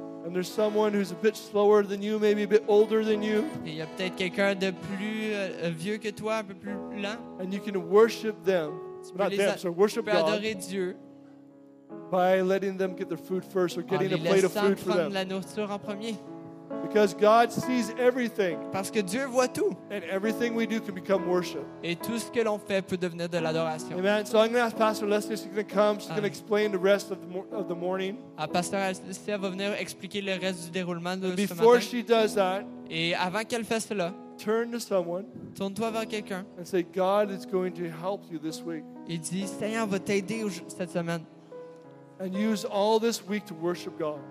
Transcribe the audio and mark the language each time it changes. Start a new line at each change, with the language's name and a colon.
English: And there's someone who's a bit slower than you, maybe a bit older than you.
French: Il y a peut-être quelqu'un de plus vieux que toi, un peu plus lent.
English: And you can worship them. Not them, so worship God.
French: Tu peux adorer Dieu.
English: By letting them get their food first or getting a plate of food for them.
French: La nourriture en premier.
English: Because God sees everything.
French: Parce que Dieu voit tout.
English: And everything we do can become worship.
French: Et tout ce que l'on fait peut devenir de l'adoration.
English: Amen. So I'm going to ask Pastor Leslie if she's going to come. She's going to explain the rest of the morning.
French: Pastor Leslie va venir expliquer le reste du déroulement de ce matin.
English: Before she does that,
French: et avant qu'elle fasse cela,
English: turn to someone.
French: Tourne-toi vers quelqu'un.
English: And say, God is going to help you this week.
French: Et dis, Seigneur va t'aider cette semaine.
English: And use all this week to worship God.